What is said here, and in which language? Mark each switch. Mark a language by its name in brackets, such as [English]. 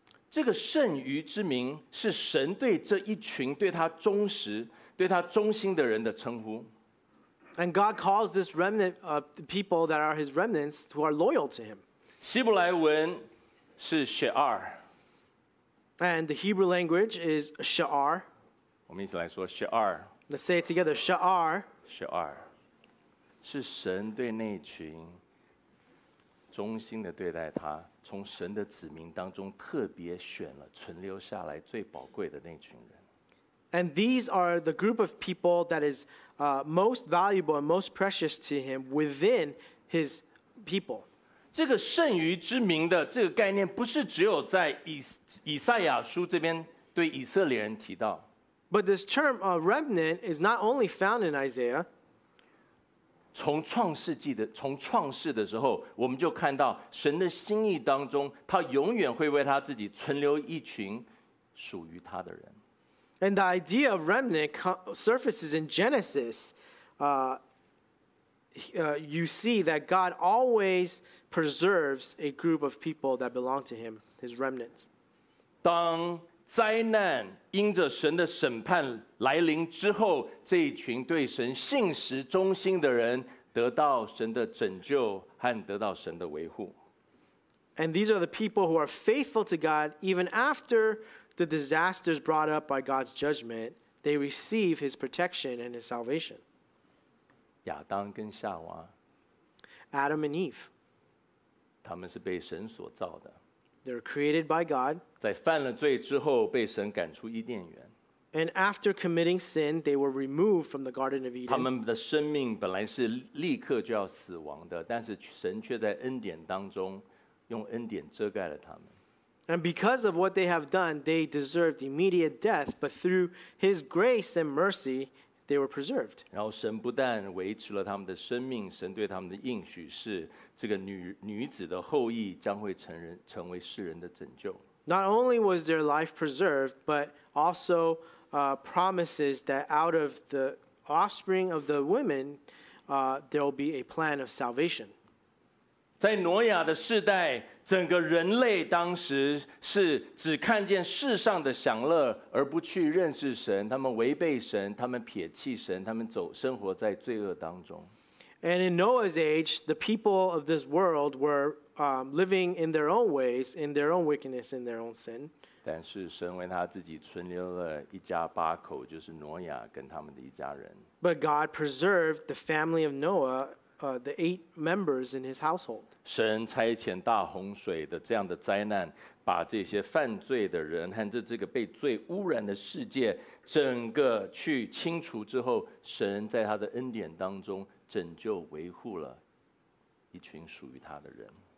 [Chinese] 这个剩余之名是神对这一群对他忠实、对他忠心的人的称呼。 [English] And God calls this remnant the people that are His remnants who are loyal to Him. [Chinese] 希伯来文是 Sha'ar. [English] And the Hebrew language is Sha'ar. [Chinese] 我们一起来说 Sha'ar. [English] Let's say it together, Sha'ar. [Hebrew] Sha'ar. [Chinese] 是神对那群忠心的对待他，从神的子民当中特别选了存留下来最宝贵的那群人。 [English] And these are the group of people that is most valuable and most precious to him within his people. [Chinese] 这个剩余之名的这个概念不是只有在以赛亚书这边对以色列人提到。 [English] But this term remnant is not only found in Isaiah. [Chinese] 从创世的时候，我们就看到神的心意当中，他永远会为他自己存留一群属于他的人。 [English] And the idea of remnant surfaces in Genesis. You see that God always preserves a group of people that belong to him, his remnants. [Chinese] 当灾难因着神的审判来临之后，这一群对神信实忠心的人得到神的拯救和得到神的维护。 [English] And these are the people who are faithful to God even after the disasters brought up by God's judgment, they receive his protection and his salvation. [Chinese] 亚当跟夏娃。 [English] Adam and Eve. [Chinese] 他们是被神所造的。 [English] They're created by God. [Chinese] 在犯了罪之后，被神赶出伊甸园。 [English] And after committing sin, they were removed from the Garden of Eden. [Chinese] 他们的生命本来是立刻就要死亡的，但是神却在恩典当中用恩典遮盖了他们。 [English] And because of what they have done, they deserved immediate death. But through His grace and mercy, they were preserved. [Chinese] 然后神不但维持了他们的生命，神对他们的应许是这个女子的后裔将会成为世人的拯救。 [English] Not only was their life preserved, but also promises that out of the offspring of the women, there will be a plan of salvation. [Chinese] 在挪亚的世代，整个人类当时是只看见世上的享乐，而不去认识神。他们违背神，他们撇弃神，他们生活在罪恶当中。 [English] And in Noah's age, the people of this world were living in their own ways, in their own wickedness, in their own sin. [Chinese] 但是神为他自己存留了一家八口，就是挪亚跟他们的一家人。 [English] But God preserved the family of Noah, the eight members in his household. [Chinese] 神差遣大洪水的这样的灾难，把这些犯罪的人和这个被罪污染的世界整个去清除之后，神在他的恩典当中拯救维护了一群属于他的人。